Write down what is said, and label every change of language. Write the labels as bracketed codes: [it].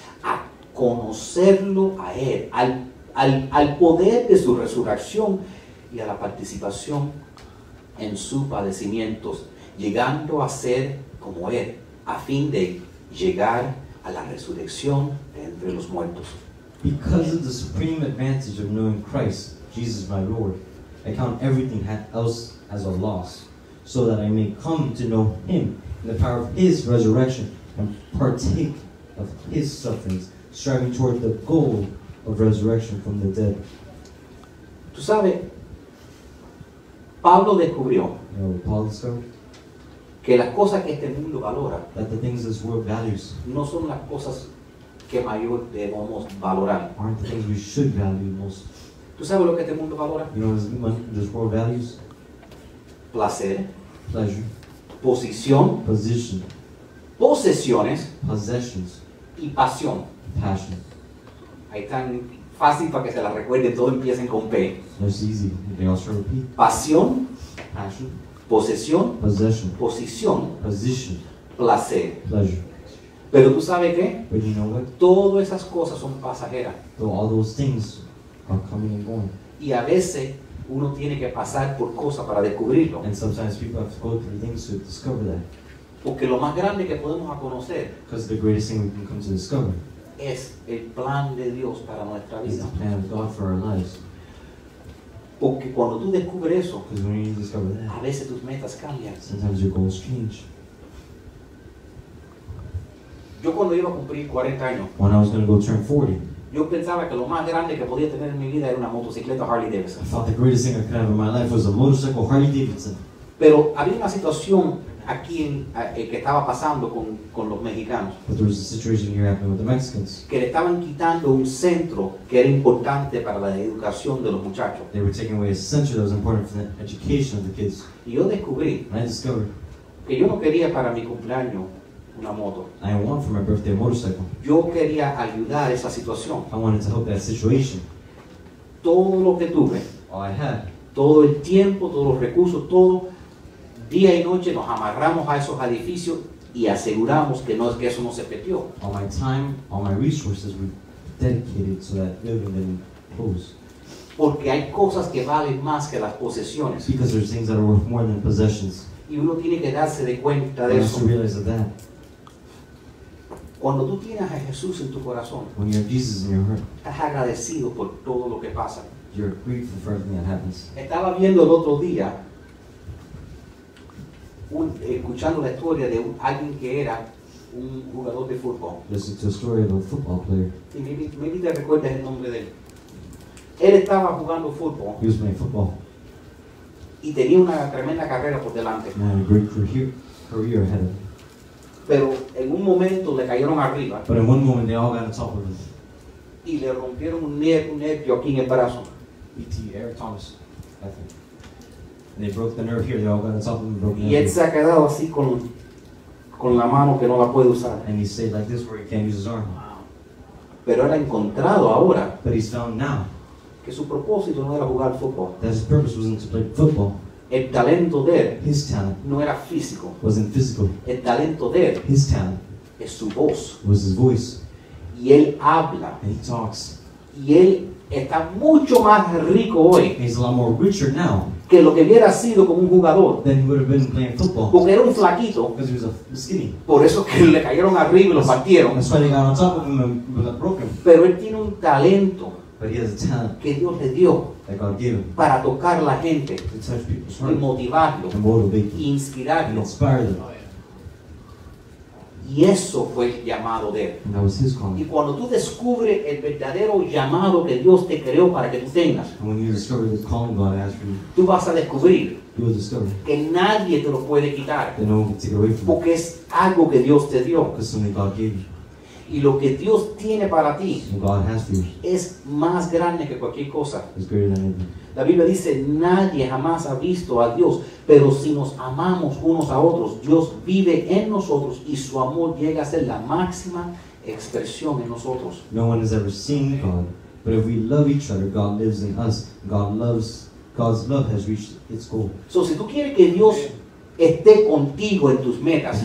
[es] A conocerlo a Él, al poder de su resurrección y a la participación en sus padecimientos. llegando a ser como Él, a fin de llegar a la resurrección de entre los muertos. [en] Because of the supreme advantage of knowing Christ, Jesus my Lord, I count everything else as a loss, so that I may come to know Him in the power of His resurrection and partake of His sufferings, striving toward the goal of resurrection from the dead. [es] Tú sabes, Pablo descubrió, [en] you know, Paul discovered, [es] que las cosas que este mundo valora, [en] that the things this world values, [es] no son las cosas que mayor debemos valorar. [en] Aren't the things we should value most. [es] ¿Tú sabes lo que este mundo valora? [en] You know what this world values? [es] Placer. [en] Pleasure. [es] Posición. [en] Position. [es] Posesiones. [en] Possessions. [es] Y pasión. [en] Passion. [es] Ahí están fácil para que se la recuerde. Todo empieza con P. [en] That's easy. They all start with P. [es] Pasión. [en] Passion. [es] Posesión. [en] Possession. [es] Posición. [en] Position. [es] Placer. [en] Pleasure. [es] Pero tú sabes qué? [en] But you know what? [es] Todas esas cosas son pasajeras. [en] So all those things are coming and going. [es] Y a veces uno tiene que pasar por cosas para descubrirlo. [en] And sometimes people have to go through things to discover that. [es] Porque lo más grande que podemos conocer, [en] because the greatest thing we can come to discover, [es] es el plan de Dios para nuestra vida. [en] Is the plan of God for our lives. [es] Porque cuando tú descubres eso, [en] because when you discover that, [es] a veces tus metas cambian. [en] Sometimes your goals change. [es] Yo cuando iba a cumplir 40 años, [en] when I was going to go turn 40, [es] yo pensaba que lo más grande que podía tener en mi vida era una motocicleta Harley Davidson. [en] I thought the greatest thing I could have in my life was a motorcycle Harley Davidson. [es] Pero había una situación aquí en, que estaba pasando con los mexicanos. [en] But there was a situation here happening with the Mexicans. [es] Que le estaban quitando un centro que era importante para la educación de los muchachos. [en] They were taking away a center that was important for the education of the kids. [es] Y yo descubrí, [en] and I discovered, [es] que yo no quería para mi cumpleaños una moto. [en] I want for my birthday a motorcycle. [es] Yo quería ayudar esa situación. [en] I wanted to help that situation. [es] Todo lo que tuve, [en] all I had, [es] todo el tiempo, todos los recursos, todo, día y noche nos amarramos a esos edificios y aseguramos que no, que eso no se perdió. [en] All my time, all my resources were dedicated to that building that we closed. [es] Porque hay cosas que valen más que las posesiones. [en] Because there's things that are worth more than possessions. [es] Y uno tiene que darse de cuenta de eso. [en] You have to realize that. [es] Cuando tú tienes a Jesús en tu corazón, [en] when you have Jesus in your heart, [es] estás agradecido por todo lo que pasa. [en] You're grateful for everything that happens. [es] Estaba viendo el otro día, escuchando la historia de alguien que era un jugador de fútbol. [en] Listen to a story of a football player. [es] Y maybe te recuerdas el nombre de él. Él estaba jugando fútbol. [en] He was playing football. [es] Y tenía una tremenda carrera por delante. [en] And had a great career ahead of him. [es] Pero en un momento le cayeron arriba. [en] But in one moment they all got on top of him. [es] Y le rompieron un nervio aquí en el brazo. [en] E.T. Eric Thomas, I think. And they broke the nerve here. They all got on top of him and broke the nerve. [es] Y él se ha quedado así con la mano que no la puede usar. [en] And he stayed like this where he can't use his arm. Wow. [es] Pero él ha encontrado ahora. [en] But he's found now. [es] Que su propósito no era jugar fútbol. [en] That his purpose wasn't to play football. [es] El talento de él, [en] his talent, [es] no era físico. [en] Wasn't physical. [es] El talento de él, [en] his talent, [es] es su voz. [en] Was his voice. [es] Y él habla. [en] And he talks. [es] Y él está mucho más rico hoy. [en] And he's a lot more richer now. [es] Que lo que hubiera sido como un jugador. [en] Than he would have been playing football. [es] Porque era un flaquito. [en] Because he was a skinny. [es] Por eso que le cayeron arriba y lo partieron. [en] That's why they got on top of him and broke him. [es] Pero él tiene un talento. [en] But he has a talent [es] que Dios le dio para tocar la gente, [en] to touch people's heart, [es] y motivarlo, [en] and motivate them, [es] y inspirarlo, [en] and inspire them. [es] Y eso fue el llamado de él. [en] And that was his calling. [es] Y cuando tú descubres el verdadero llamado que Dios te creó para que tú tengas, [en] and when you discover the calling God asked for you, [es] tú vas a descubrir, [en] you will discover, [es] que nadie te lo puede quitar, [en] that no one can take away from, [es] porque es algo que Dios te dio. [en] Because something God gave you. [es] Y lo que Dios tiene para ti, [en] God has for you, [es] es más grande que cualquier cosa. [en] It's greater than anything. [es] La Biblia dice, nadie jamás ha visto a Dios, pero si nos amamos unos a otros, Dios vive en nosotros y su amor llega a ser la máxima expresión en nosotros. [en] No one has ever seen God, but if we love each other, God lives in us. God's love has reached its goal. [es] So si tú quieres que Dios esté contigo en tus metas,